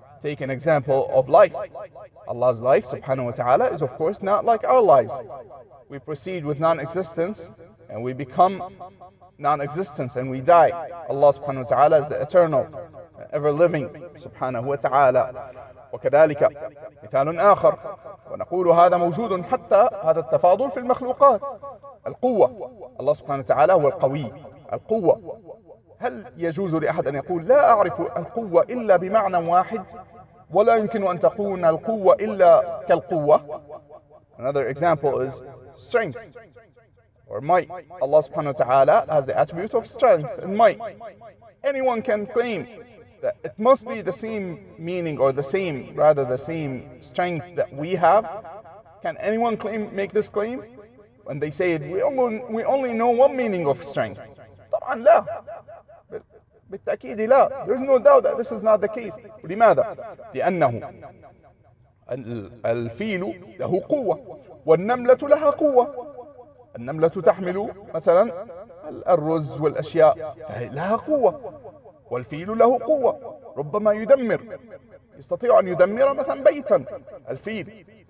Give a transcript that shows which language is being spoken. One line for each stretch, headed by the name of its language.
English: Take an example of life. Allah's life subhanahu wa ta'ala is of course not like our lives. We proceed with non-existence and we become non-existence and we die. Allah subhanahu wa ta'ala is the eternal, ever living, subhanahu wa ta'ala.
Arabic: وكذلك مثال آخر ونقول هذا موجود حتى هذا التفاضل في المخلوقات. القوة, الله سبحانه وتعالى هو القوي. القوة, هل يجوز لأحد أن يقول لا أعرف القوة إلا بمعنى واحد ولا يمكن أن تكون القوة إلا كالقوة.
English: Another example is strength or might. Allah subhanahu wa ta'ala has the attribute of strength and might. Anyone can claim that it must be the same meaning or the same, rather the same strength that we have. Can anyone claim, make this claim? When they say it, we only know one meaning of strength.
Arabic: طبعا لا. بالتأكيد لا.
English: There's no doubt that this is not the case.
Arabic: لماذا؟ لأنه الفيل له قوة والنملة لها قوة. النملة تحمل مثلا الرز والأشياء لها قوة والفيل له قوة ربما يدمر يستطيع أن يدمر مثلا بيتا الفيل.